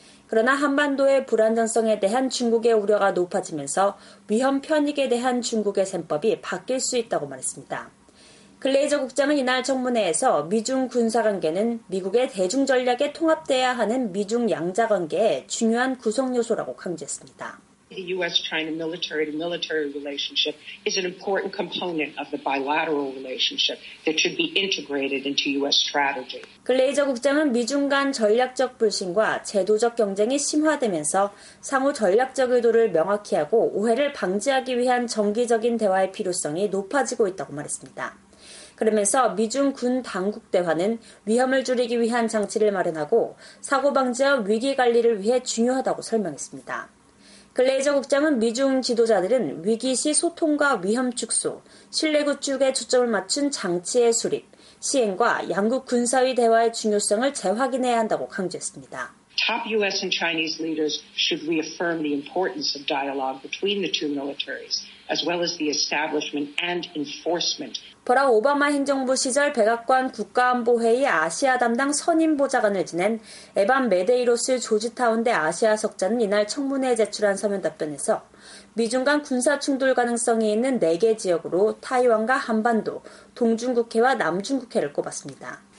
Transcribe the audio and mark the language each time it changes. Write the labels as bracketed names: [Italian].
[Korean] 그러나 한반도의 불안정성에 대한 중국의 우려가 높아지면서 위험 편익에 대한 중국의 셈법이 바뀔 수 있다고 말했습니다. 글레이저 국장은 이날 청문회에서 미중 군사관계는 미국의 대중전략에 통합돼야 하는 미중 양자관계의 중요한 구성요소라고 강조했습니다. [English] The U.S.-China military-to-military relationship is an important component of the bilateral relationship that should be integrated into U.S. strategy. [Korean] 글레이저 국장은 미중 간 전략적 불신과 제도적 경쟁이 심화되면서 상호 전략적 의도를 명확히 하고 오해를 방지하기 위한 정기적인 대화의 필요성이 높아지고 있다고 말했습니다. 그러면서 미중 군 당국 대화는 위험을 줄이기 위한 장치를 마련하고 사고 방지와 위기 관리를 위해 중요하다고 설명했습니다. 글레이저 국장은 미중 지도자들은 위기 시 소통과 위험 축소, 신뢰 구축에 초점을 맞춘 장치의 수립, 시행과 양국 군사위 대화의 중요성을 재확인해야 한다고 강조했습니다. [English] Top U.S. and Chinese leaders should reaffirm the importance of dialogue between the two militaries, as well as the establishment and enforcement. [Korean] 보라 오바마 행정부 시절 백악관 국가안보회의 아시아 담당 선임 보좌관을 지낸 에반 메데이로스 조지타운대 아시아 석좌는 이날 청문회에 제출한 서면 답변에서 미중 간 군사 충돌 가능성이 있는 4개 지역으로 타이완과 한반도, 동중국해와 남중국해를 꼽았습니다.